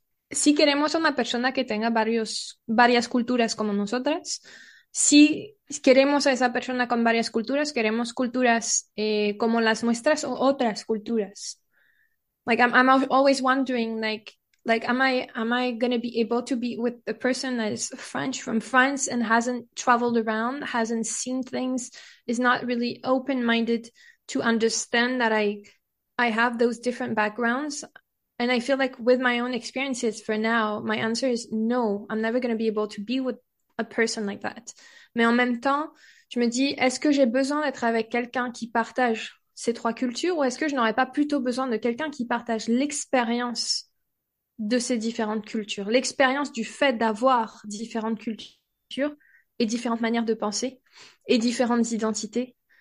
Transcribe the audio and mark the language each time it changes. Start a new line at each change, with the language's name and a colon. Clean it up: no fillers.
Spanish: Si queremos una persona que tenga varias culturas como nosotras, si queremos a esa persona con varias culturas, queremos culturas como las nuestras o otras culturas.
English: Like, I'm always wondering, like am I going to be able to be with a person that is French from France and hasn't traveled around, hasn't seen things, is not really open-minded to understand that I have those different backgrounds. And I feel like with my own experiences for now, my answer is no, I'm never going to be able to be with a person like that.
French: Mais en même temps, je me dis, est-ce que j'ai besoin d'être avec quelqu'un qui partage ces trois cultures ou est-ce que je n'aurais pas plutôt besoin de quelqu'un qui partage l'expérience de ces différentes cultures, l'expérience du fait d'avoir différentes cultures et différentes manières de penser et différentes identités.